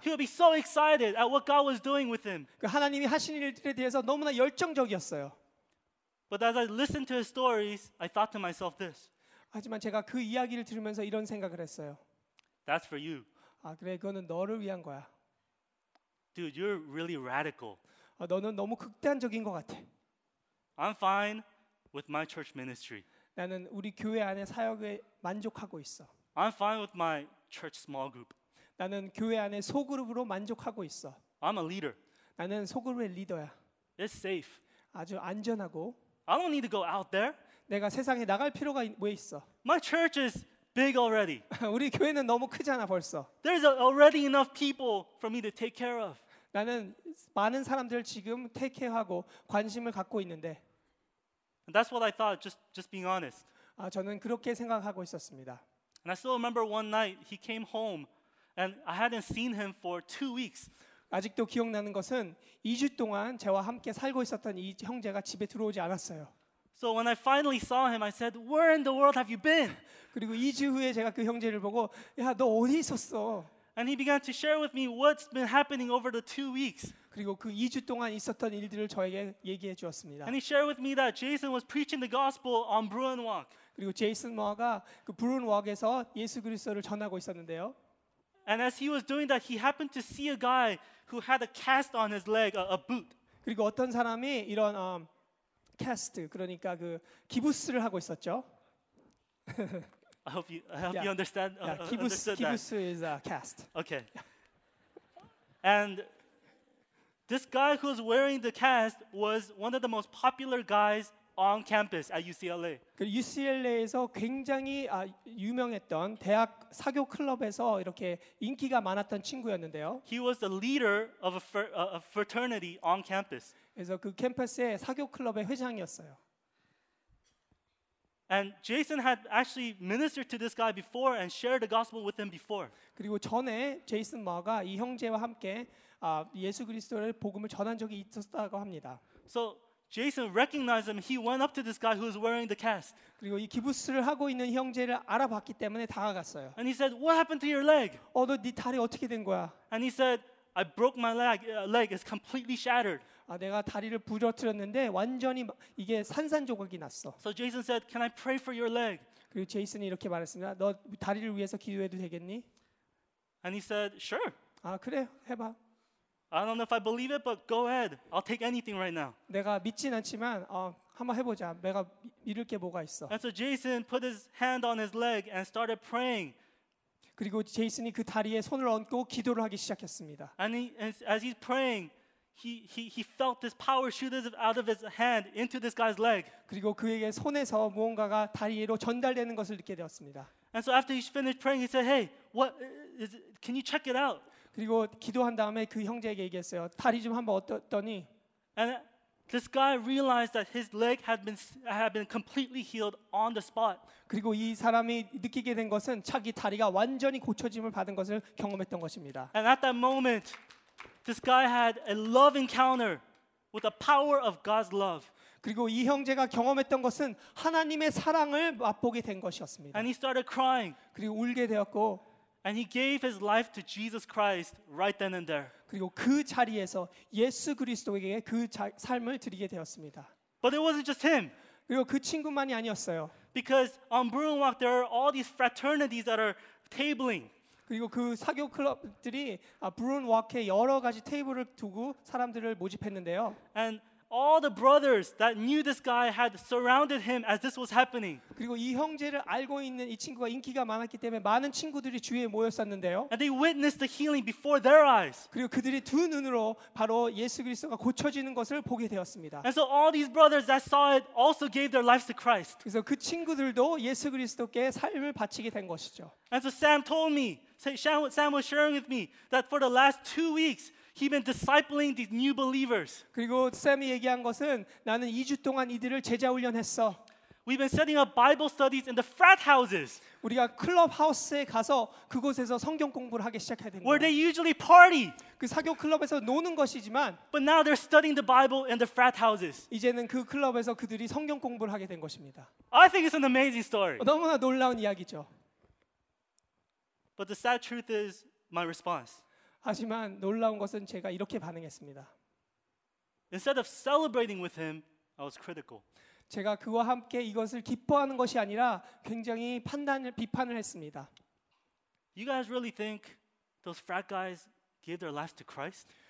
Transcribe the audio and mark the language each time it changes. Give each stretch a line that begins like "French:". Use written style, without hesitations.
English: He would be so excited at what God was doing with him.
Korean: 그 하나님이 하신 일들에 대해서 너무나 열정적이었어요.
English: But as I listened to his stories, I thought to myself this.
Korean: 하지만 제가 그 이야기를 들으면서 이런 생각을 했어요.
English: That's for you.
Korean: 아, 그래, 그거는 너를 위한 거야.
English: Dude, you're really radical.
Korean: 너는 너무 극단적인 것 같아.
English: I'm fine with my church ministry.
Korean: 나는 우리 교회 안에 사역에 만족하고 있어.
English: I'm fine with my church small group.
Korean: 나는 교회 안에 소그룹으로 만족하고 있어.
English: I'm a leader.
Korean: 나는 소그룹의 리더야.
English: It's safe.
Korean: 아주 안전하고.
English: I don't need to go out there.
Korean: 내가 세상에 나갈 필요가 왜 있어?
English: My church is big already.
Korean: 우리 교회는 너무 크잖아 벌써.
English: There's already enough people for me to take care of.
Korean: 나는 많은 사람들 지금 테이크하고 관심을 갖고 있는데.
English: And that's what I thought, just being honest.
Korean: 아, 저는 그렇게 생각하고 있었습니다.
English: And I still remember one night he came home and I hadn't seen him for 2 weeks.
Korean: 아직도 기억나는 것은 2주 동안 제와 함께 살고 있었던 이 형제가 집에 들어오지 않았어요.
English: So when I finally saw him, I said, "Where in the world have you been?"
Korean: 그리고 2주 후에 제가 그 형제를 보고, 야, 너 어디 있었어?
English: And he began to share with me what's been happening over the 2 weeks.
Korean: 그리고 그 2주 동안 있었던 일들을 저에게 얘기해 주었습니다.
English: And he shared with me that Jason was preaching the gospel on Bruin Walk.
Korean: 그리고 제이슨 모아가 그 브루인 워크에서 예수 그리스도를 전하고 있었는데요.
English: And as he was doing that, he happened to see a guy who had a cast on his leg, a boot.
Korean: 그리고 어떤 사람이 이런 캐스트 그러니까 그 기부스를 하고 있었죠.
English: I hope you understand. Yeah,
Korean: kibus
English: is a cast. Okay. And this guy who was wearing the cast was one of the most popular guys on campus at UCLA.
Korean: 그 UCLA에서 굉장히 유명했던 대학 사교 클럽에서 이렇게 인기가 많았던 친구였는데요.
English: He was the leader of a fraternity on campus.
Korean: 그래서 그 캠퍼스의 사교 클럽의 회장이었어요.
English: And Jason had actually ministered to this guy before and shared the gospel with him before.
Korean: 그리고 전에 제이슨 마가 이 형제와 함께 예수 그리스도를 복음을 전한 적이 있었다고 합니다.
English: So Jason recognized him. He went up to this guy who was wearing the cast.
Korean: 그리고 이 기부스를 하고 있는 형제를 알아봤기 때문에 다가갔어요.
English: And he said, "What happened to your leg?"
Korean: 너 네 다리 어떻게 된 거야?
English: And he said, "I broke my leg. Leg is completely shattered."
Korean: 내가 다리를 부러뜨렸는데 완전히 이게 산산조각이 났어.
English: So Jason said, "Can I pray for your leg?"
Korean: 그리고 제이슨이 이렇게 말했습니다. 너 다리를 위해서 기도해도 되겠니?
English: And he said, "Sure."
Korean: 그래, 해봐.
English: I don't know if I believe it, but go ahead. I'll take anything right now.
Korean: 내가 믿진 않지만 한번 해보자. 내가 믿을 게 뭐가 있어?
English: And so Jason put his hand on his leg and started praying.
Korean: 그리고 제이슨이 그 다리에 손을 얹고 기도를 하기 시작했습니다.
English: And as he's praying, he felt this power shoot out of his hand into this guy's leg.
Korean: 그리고 그에게 손에서 무언가가 다리로 전달되는 것을 느끼게 되었습니다.
English: And so after he's finished praying, he said, "Hey, what is it? Can you check it out?"
Korean: 그리고 기도한 다음에 그 형제에게 얘기했어요. 다리 좀 한번 어떠니?
English: And this guy realized that his leg had been completely healed on the spot.
Korean: 그리고 이 사람이 느끼게 된 것은 자기 다리가 완전히 고쳐짐을 받은 것을 경험했던 것입니다.
English: And at that moment, this guy had a love encounter with the power of God's love.
Korean: 그리고 이 형제가 경험했던 것은 하나님의 사랑을 맛보게 된 것이었습니다.
English: And he started crying.
Korean: 그리고 울게 되었고.
English: And he gave his life to Jesus Christ right then and there.
Korean: 그리고 그 자리에서 예수 그리스도에게 그 삶을 드리게 되었습니다.
English: But it wasn't just him.
Korean: 그리고 그 친구만이 아니었어요.
English: Because on Bruin Walk there are all these fraternities that are tabling.
Korean: 그리고 그 사교 클럽들이 Bruin Walk에 여러 가지 테이블을 두고 사람들을 모집했는데요.
English: And all the brothers that knew this guy had surrounded him as this was happening.
Korean: 그리고 이 형제를 알고 있는 이 친구가 인기가 많았기 때문에 많은 친구들이 주위에 모였었는데요.
English: And they witnessed the healing before their eyes.
Korean: 그리고 그들이 두 눈으로 바로 예수 그리스도가 고쳐지는 것을 보게 되었습니다.
English: And so all these brothers that saw it also gave their lives to Christ.
Korean: 그래서 그 친구들도 예수 그리스도께 삶을 바치게 된 것이죠.
English: And so Sam told me, Sam was sharing with me that for the last 2 weeks he's been discipling these new believers.
Korean: 그리고 샘이 얘기한 것은 나는 2주 동안 이들을 제자 훈련했어.
English: We've been setting up Bible studies in the frat houses.
Korean: 우리가 클럽 하우스에 가서 그곳에서 성경 공부를 하기 시작해야 된다.
English: Where they usually party.
Korean: 그 사교 클럽에서 노는 것이지만
English: but now they're studying the Bible in the frat houses.
Korean: 이제는 그 클럽에서 그들이 성경 공부를 하게 된 것입니다.
English: I think it's an amazing story.
Korean: 너무나 놀라운 이야기죠.
English: But the sad truth is my response.
Korean: 하지만 놀라운 것은 제가 이렇게 반응했습니다.
English: Instead of celebrating with him, I was critical.
Korean: 제가 그와 함께 이것을 기뻐하는 것이 아니라 굉장히 비판을 했습니다.
English: You guys really think those frat guys give their lives to Christ?